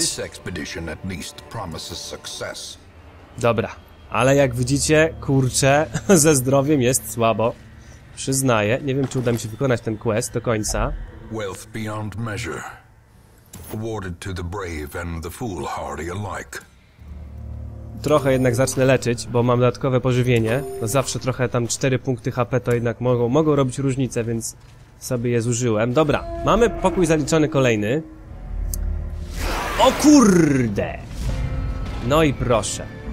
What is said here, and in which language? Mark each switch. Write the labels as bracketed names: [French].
[English] This expedition at least promises success. [Polish] Dobra. Ale jak widzicie, kurczę, ze zdrowiem jest słabo. Przyznaję, nie wiem, czy uda mi się wykonać ten quest do końca. [English] Wealth beyond measure. Awarded to the brave and the foolhardy alike. [Polish] Trochę jednak zacznę leczyć, bo mam dodatkowe pożywienie. No zawsze trochę tam 4 punkty HP to jednak mogą robić różnicę, więc sobie je zużyłem. Dobra, mamy pokój zaliczony kolejny. O kurde! No i proszę.